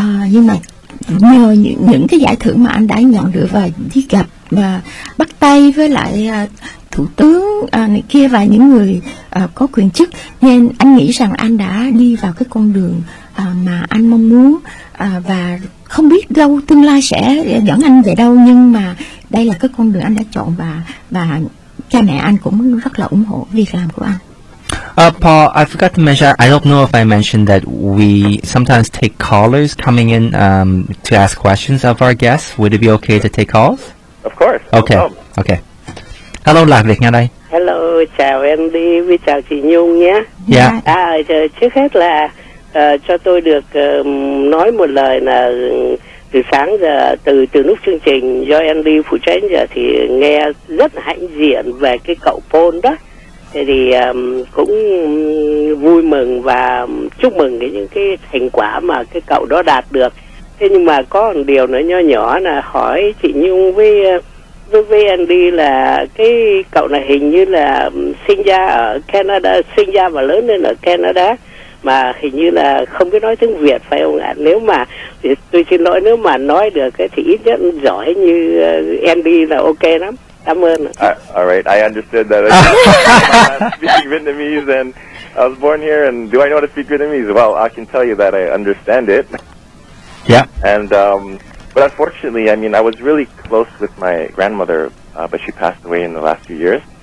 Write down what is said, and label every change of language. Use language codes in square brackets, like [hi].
[vi] Nhưng mà nhờ những cái giải thưởng mà anh đã nhận được và đi gặp và bắt tay với lại thủ tướng này kia và những người có quyền chức, nên anh nghĩ rằng anh đã đi vào cái con đường mà anh mong muốn, và không biết đâu tương lai sẽ dẫn anh về đâu, nhưng mà đây là cái con đường anh đã chọn, và cha mẹ anh cũng rất là ủng hộ việc làm của anh. [en] Paul, I forgot to mention, I don't know if I mentioned that we sometimes take callers coming in to ask questions of our guests. Would it be okay to take calls? Of course. Okay. No okay. Hello, [vi] Lạc Việt nghe đây. Hello, chào Andy, với chào chị Nhung nhé. [en] Yeah. [vi] Trước hết là cho tôi được nói một lời là từ sáng giờ, từ lúc chương trình do Andy phụ trách giờ thì nghe rất hãnh diện về cái cậu Paul đó. Thì cũng vui mừng và chúc mừng những cái thành quả mà cái cậu đó đạt được. Thế nhưng mà có một điều nữa nhỏ nhỏ là hỏi chị Nhung với Andy là cái cậu này hình như là sinh ra ở Canada, sinh ra và lớn lên ở Canada mà hình như là không biết nói tiếng Việt phải không ạ? Nếu mà tôi xin lỗi, nếu mà nói được thì ít nhất giỏi như Andy là ok lắm. [en] All right, I understood that. Speaking Vietnamese, and I was born here, and do I know how to speak Vietnamese? Well, I can tell you that I understand it. Yeah. And but unfortunately, I mean, I was really close with my grandmother, but she passed away in the last few years.